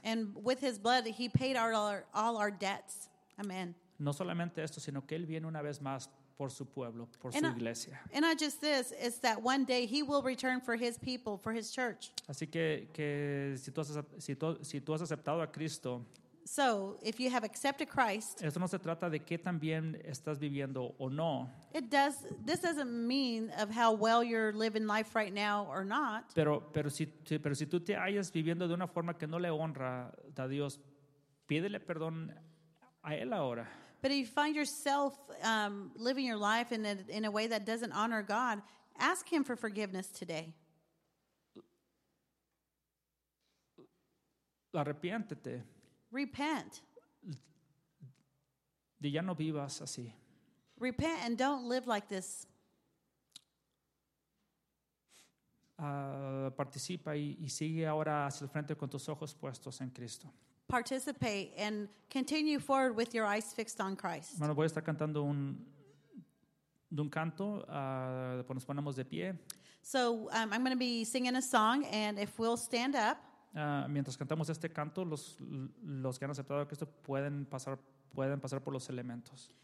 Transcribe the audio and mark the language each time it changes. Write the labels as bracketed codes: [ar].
[en] And with his blood he paid all our debts. Amen. [es] No solamente esto, sino que él viene una vez más por su pueblo, por su iglesia. [en] And not just this, it's that one day he will return for his people, for his church. [es] Así que si tú has aceptado a Cristo. [en] So, if you have accepted Christ. [es] Esto no se trata de qué tan bien estás viviendo o no. [en] This doesn't mean of how well you're living life right now or not. [es] Pero si tú te hallas viviendo de una forma que no le honra a Dios, pídele perdón a él ahora. [en] But if you find yourself living your life in a way that doesn't honor God, ask him for forgiveness today. [es] Arrepiéntete. [en] Repent. [es] De ya no vivas así. [en] Repent and don't live like this. [es] Participa y sigue ahora hacia el frente con tus ojos puestos en Cristo. [en] Participate and continue forward with your eyes fixed on Christ. [es] Bueno, voy a estar cantando un canto, después nos ponemos de pie. [en] So I'm going to be singing a song, and if we'll stand up. [es] Mientras cantamos este canto, los que han aceptado a Cristo pueden pasar por los elementos.